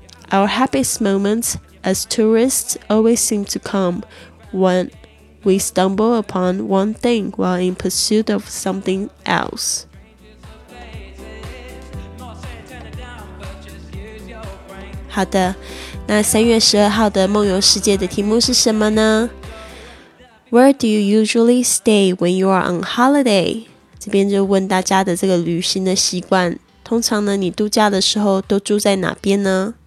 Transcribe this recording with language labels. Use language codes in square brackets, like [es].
[en] Our happiest moments as tourists always seem to come whenWe stumble upon one thing while in pursuit of something else. [zh] 好的，那3月12号的梦游世界的题目是什么呢？ [en] Where do you usually stay when you are on holiday? [zh] 这边就问大家的这个旅行的习惯，通常呢，你度假的时候都住在哪边呢？